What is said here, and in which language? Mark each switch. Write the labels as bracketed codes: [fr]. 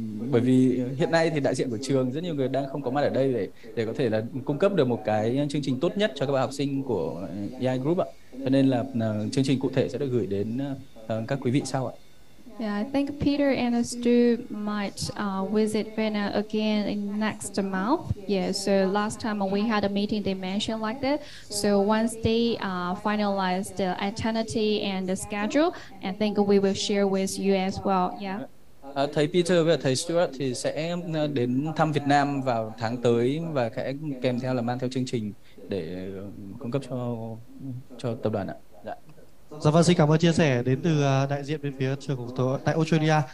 [vi] Bởi vì hiện nay thì đại diện của trường rất nhiều người đang không có mặt ở đây để có thể là cung cấp được một cái chương trình tốt nhất cho các bạn học sinh của AI Group ạ. Cho nên là chương trình cụ thể sẽ được gửi đến các quý vị sau ạ. [en] Yeah, I think Peter and Stu might visit Vienna again in next month. Yeah, so last time we had a meeting, they mentioned like that. So once they finalize the itinerary and the schedule, I think we will share with you as well. Yeah. [vi] Thầy Peter và thầy Stuart thì sẽ đến thăm Việt Nam vào tháng tới và sẽ kèm theo là mang theo chương trình để cung cấp cho tập đoàn ạ. Dạ vâng, xin cảm ơn chia sẻ đến từ đại diện bên phía trường của tôi tại Australia.